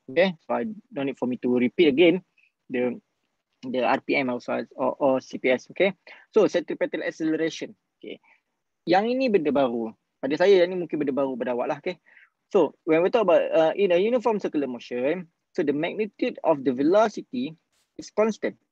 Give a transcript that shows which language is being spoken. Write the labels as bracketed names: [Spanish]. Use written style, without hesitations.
[English] Okay, so I don't need for me to repeat again the RPM or CPS. Okay, so centripetal acceleration. [Malay] Okay, yang ini benda baru. Pada saya, yang ni mungkin benda baru pada awak lah. [English] Okay, so when we talk about in a uniform circular motion, so the magnitude of the velocity is constant.